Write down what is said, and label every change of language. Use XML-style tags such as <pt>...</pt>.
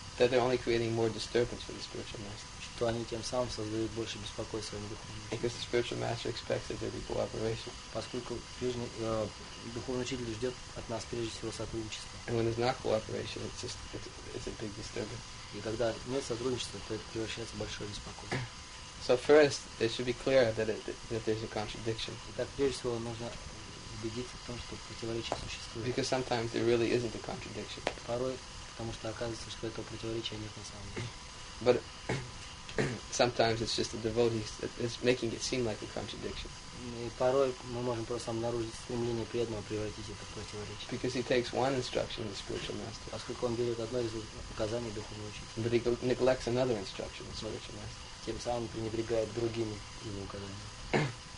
<en>That they're only creating more disturbance for the spiritual master.</en> <ru>Что они тем самым создают больше беспокойства своему духовному учителю.</ru> <en>Because the spiritual master expects that there be cooperation.</en> <ru>Поскольку духовный учитель ждет от нас прежде всего сотрудничества.</ru> <en>And when there's not cooperation, it's a big disturbance.</en> <ru>И когда нет сотрудничества, то это превращается в большое беспокойство.</ru> <en>So first, it should be clear that there's a contradiction.</en> <ru>Итак, прежде всего нужно убедиться в том, что противоречие существует.</ru> <en>Because sometimes there really isn't a contradiction.</en> <ru>Порой, потому что оказывается, что этого противоречия нет на самом деле.</ru> <en>But sometimes it's just the devotee that's making it seem like a contradiction.</en> <ru>И порой мы можем просто обнаружить стремление преданного превратить это в противоречие.</ru> <en>Because he takes one instruction of the spiritual master.</en> <ru>Поскольку он берет одно из указаний духовного учителя.</ru> <en>But he neglects another instruction of the spiritual master.</en> <ru>Тем самым пренебрегает другими его указаниями.</ru>